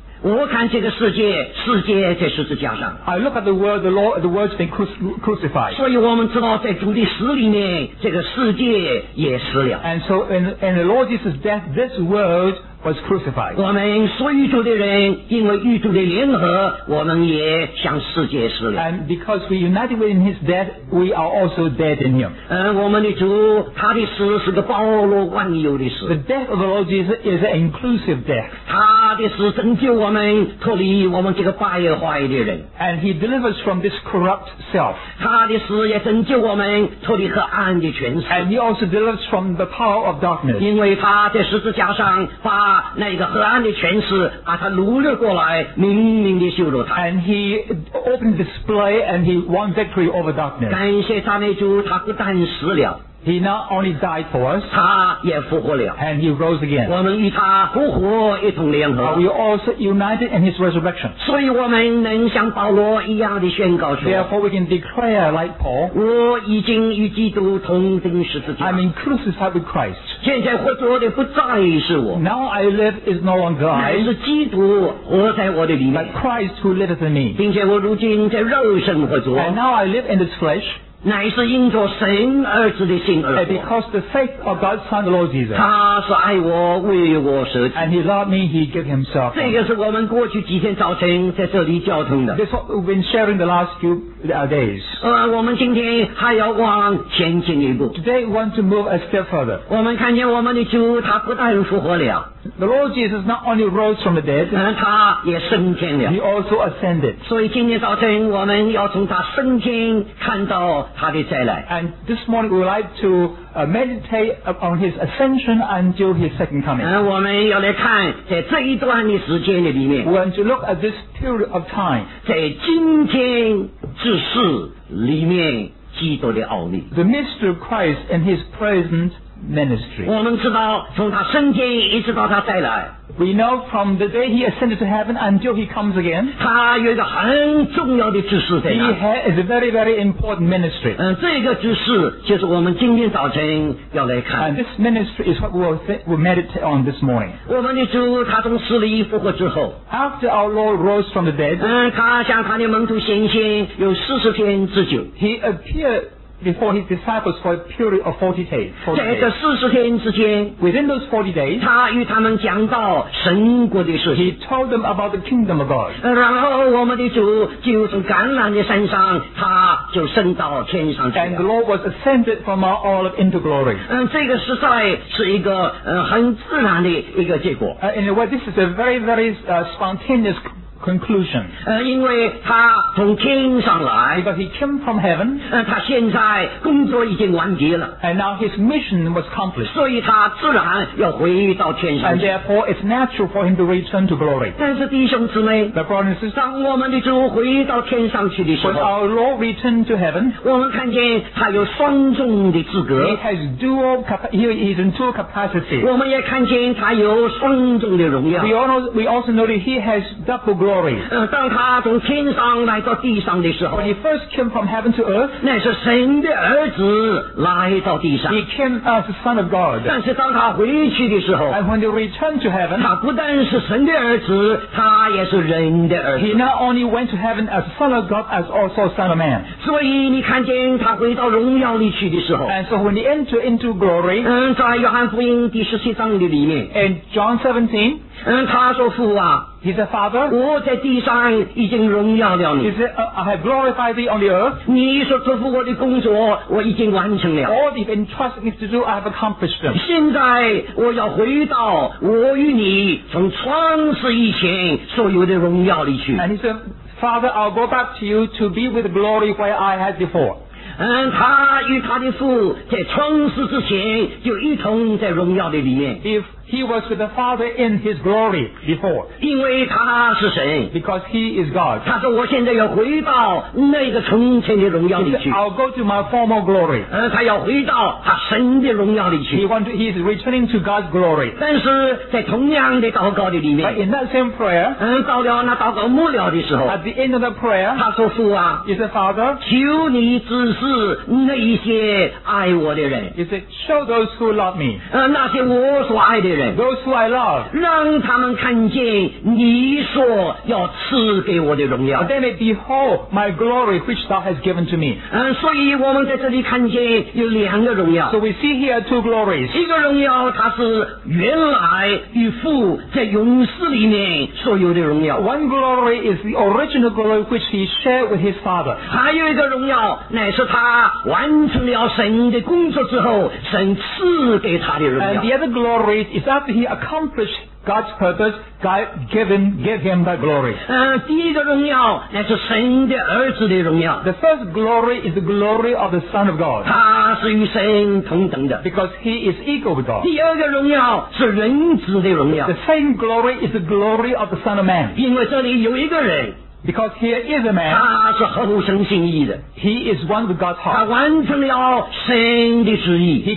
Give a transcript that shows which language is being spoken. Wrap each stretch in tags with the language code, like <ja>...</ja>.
<zh>我看这个世界，世界在十字架上。</zh> <en>I look at the world's been crucified.</en> <zh>所以我们知道，在主的死里面，这个世界也死了。</zh> <en>And so in the Lord Jesus' death, this world was crucified.</en> <zh>我们所有主的人，因为与主的联合，我们也向世界死了。</zh> <en>And because we united with His death, we are also dead in Him.</en> <zh>我们的主，他的死是个包罗万有的死。</zh> <en>The death of the Lord Jesus is an inclusive death.</en> <zh>他的死拯救我们脱离我们这个败坏的人。</zh> <en>And He delivers from this corrupt self.</en> <zh>他的死也拯救我们脱离黑暗的权势。</zh> <en>And He also delivers from the power of darkness.</en> <zh>因为他在十字架上把那个黑暗的权势把他掳掠过来，明明的羞辱他。</zh> <en>And he opened display and he won victory over darkness.</en> <zh>感谢赞美主，他不但死了。</zh> <en>He not only died for us,</en> <zh>他也复活了。</zh> <en>And he rose again.</en> <zh>我们与他复活一同联合。</zh> <en>We also united in his resurrection.</en> <zh>所以我们能像保罗一样的宣告说。</zh> <en>Therefore we can declare like Paul.</en> <zh>我已经与基督同钉十字架。</zh> <en>I'm in crucified with Christ.</en> <zh>现在活着的不再是我。</zh> <en>Now I live is no longer I.</en> <zh>乃是基督活在我的里面。</zh> <en>But Christ who liveth in me.</en> <zh>并且我如今在肉身活着。</zh> <en>And now I live in this flesh.</en> <zh>乃是因着神儿子的心而活。</zh> <en>Because the faith of God's Son, the Lord Jesus.</en> <zh>他是爱我，为我舍己。</zh> <en>And He loved me, He gave Himself.</en> <zh>这个是我们过去几天早晨在这里交通的。</zh> <en>This is what we've been sharing the last few days.</en> <zh>我们今天还要往前进一步。</zh> <en>Today we want to move a step further.</en> <zh>我们看见我们的主，他不但复活了。</zh> <en>The Lord Jesus not only rose from the dead,</en> <zh>他也升天了。</zh> <en>He also ascended.</en> <zh>所以今天早晨我们要从他升天看到他的再来。</zh> <en>And this morning we would like to meditate on his ascension until his second coming.</en> <zh>我们要来看在这一段的时间里面。</zh> <en>We want to look at this period of time.</en> <zh>在今天之事里面基督的奥秘。</zh> <en>The mystery of Christ and his present ministry.</en> <zh>我们知道从他升天一直到他再来。</zh> <en>We know from the day he ascended to heaven until he comes again.</en> <zh>他有一个很重要的指示在那。</zh> <en>He has a very, very important ministry.</en> <zh>这个指示就是我们今天早晨要来看。</zh> <en>And this ministry is what we'll meditate on this morning.</en> <zh>我们的主他从死里复活之后。</zh> <en>After our Lord rose from the dead.</en> <zh>他向他的门徒显现有四十天之久。</zh> <en>He appeared. Before his disciples for a period of 40 days.</en> <zh>在这四十天之间</zh> <en>，within those 40 days，</en> <zh>他与他们讲到神国的事。</zh> <en>He told them about the kingdom of God.</en> <zh>然后我们的主就从橄榄的山上，他就升到天上去了。</zh> <en>And the Lord was ascended from Mount Olive into glory.</en> <zh>这个实在是一个很自然的一个结果。</zh> <en>In a way, this is a very, very spontaneous conclusion.</en> <zh>因为他从天上来</zh> <en>because he came from heaven.</en> <zh>他现在工作已经完结了</zh> <en>and now his mission was accomplished.</en> <zh>所以他自然要回到天上</zh> <en>and therefore it's natural for him to return to glory.</en> <zh>但是弟兄姊妹</zh> <en>the brothers and sisters,</en> <zh>当我们的主回到天上去的时候</zh> <en>when our Lord returned to heaven,</en> <zh>我们看见他有双重的资格</zh> <en>he is in two capacities.</en> <zh>我们也看见他有双重的荣耀</zh> <en>we also know that he has double glory.</en> <zh>当他从天上来到地上的时候</zh> <en>when he first came from heaven to earth,</en> <zh>那是神的儿子来到地上</zh> <en>he came as the son of God.</en> <zh>但是当他回去的时候</zh> <en>and when he returned to heaven,</en> <zh>他不但是神的儿子他也是人的儿子</zh> <en>he not only went to heaven as the son of God, as also son of man.</en> <zh>所以你看见他回到荣耀里去的时候</zh> <en>and so when he entered into glory,</en> <zh>在约翰福音第十七章的里面</zh> <en>and John 17,</en> <zh>他说父啊</zh> <en>He said Father</en> <zh>我在地上已经荣耀了你</zh> <en>He said I have glorified thee on the earth</en> <zh>你所托付我的工作我已经完成了</zh> <en>All you've entrusted me to do I have accomplished them</en> <zh>现在我要回到我与你从创世以前所有的荣耀里去</zh> <en>And he said Father I'll go back to you to be with the glory where I had before</en> <zh>他与他的父在创世之前就一同在荣耀的里面</zh> <en>If he was with the Father in his glory before</en> <zh>因为他是神</zh> <en>Because he is God</en> <zh>他说我现在要回到那个从前的荣耀里去</zh> <en>I'll go to my former glory</en> <zh>他要回到他神的荣耀里去</zh> <en>he is returning to God's glory</en> <zh>但是在同样的祷告的里面</zh> <en>But in that same prayer</en> <zh>到了那祷告末了的时候</zh> <en>At the end of the prayer</en> <zh>他说父啊</zh> <en>He said Father</en> <zh>求你指示那一些爱我的人</zh> <en>He said show those who love me</en> <zh>那些我所爱的人</zh> <en>Those who I love,</en> <zh>让他们看见你所要赐给我的荣耀。</zh> <en>And then they behold my glory which thou hast given to me.</en> <zh>所以我们在这里看见有两个荣耀。</zh> <en>So we see here two glories.</en> <zh>一个荣耀它是原来与父在永世里面所有的荣耀。</zh> <en>One glory is the original glory which he shared with his father.</en> <zh>还有一个荣耀乃是他完成了神的工作之后神赐给他的荣耀。</zh> <en>And the other glory is after he accomplished God's purpose, God gave him that glory.</en> <zh>第一个荣耀乃是神的儿子的荣耀。</zh> <en>The first glory is the glory of the Son of God.</en> <zh>他是与神同等的。</zh> <en>Because he is equal with God.</en> <zh>第二个荣耀是人子的荣耀。</zh> <en>The same glory is the glory of the Son of Man.</en> <zh>因为这里有一个人。</zh> <en>Because here is a man.</en> <zh>他是合乎神心意的。</zh> <en>He is one with God's heart.</en> <zh>他完成了神的旨意。</zh>